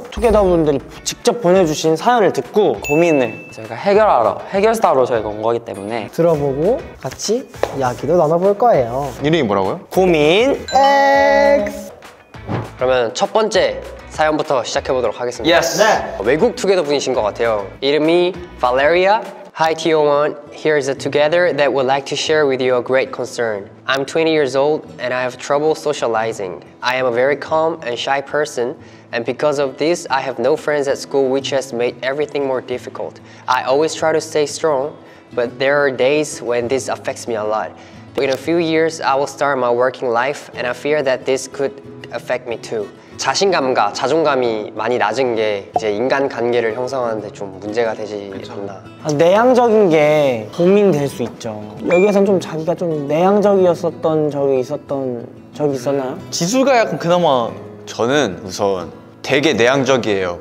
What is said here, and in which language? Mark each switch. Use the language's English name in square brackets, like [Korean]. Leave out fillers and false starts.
[Korean] 투게더분들이 직접 보내주신 사연을 듣고 고민을 저희가 해결하러, 해결사로 저희가 온 거기 때문에 들어보고 같이 이야기도 나눠볼 거예요. 이름이 뭐라고요? 고민 X. 그러면 첫 번째 사연부터 시작해보도록 하겠습니다. Yes. 네. 외국 투게더분이신 것 같아요. 이름이 Valeria. [English] Hi T01, here is a together that would like to share with you a great concern. I'm 20 years old and I have trouble socializing. I am a very calm and shy person and because of this, I have no friends at school which has made everything more difficult. I always try to stay strong, but there are days when this affects me a lot. In a few years, I will start my working life and I fear that this could affect me too. [Korean] 자신감과 자존감이 많이 낮은 게 이제 인간 관계를 형성하는데 좀 문제가 되지 않나. 아, 내향적인 게 고민될 수 있죠. 여기에선 좀 자기가 좀 내향적이었었던 적이 있었던 적이 있었나요? 지수가 약간 그나마 저는 우선 되게 내향적이에요.